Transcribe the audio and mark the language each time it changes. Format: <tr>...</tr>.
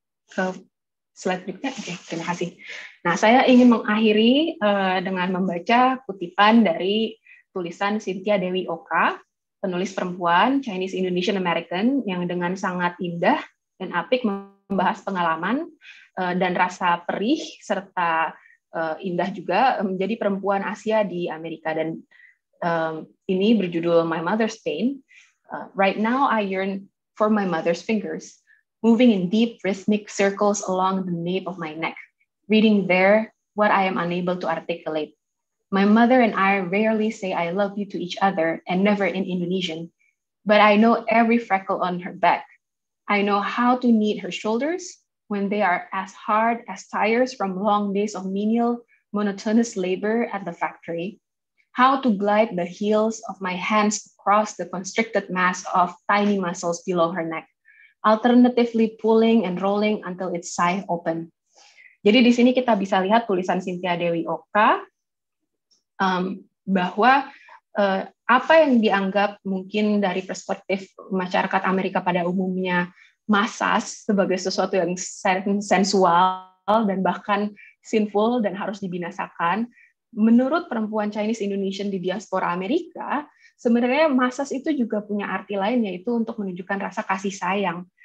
<id>Ke slide berikutnya? Oke, terima kasih. Nah, saya ingin mengakhiri dengan membaca kutipan dari tulisan Cynthia Dewi Oka, penulis perempuan Chinese Indonesian American, yang dengan sangat indah dan apik membahas pengalaman dan rasa perih serta indah juga menjadi perempuan Asia di Amerika. Dan ini berjudul My Mother's Pain.</id> <en>Right now I yearn for my mother's fingers, moving in deep rhythmic circles along the nape of my neck, reading there what I am unable to articulate. My mother and I rarely say I love you to each other and never in Indonesian, but I know every freckle on her back. I know how to knead her shoulders when they are as hard as tires from long days of menial, monotonous labor at the factory, how to glide the heels of my hands across the constricted mass of tiny muscles below her neck, alternatively pulling and rolling until its sigh open.</en> <id>Jadi di sini kita bisa lihat tulisan Cynthia Dewi Oka bahwa apa yang dianggap mungkin dari perspektif masyarakat Amerika pada umumnya massage sebagai sesuatu yang sensual dan bahkan sinful dan harus dibinasakan, menurut perempuan Chinese Indonesian di diaspora Amerika, sebenarnya massage itu juga punya arti lain, yaitu untuk menunjukkan rasa kasih sayang.</id>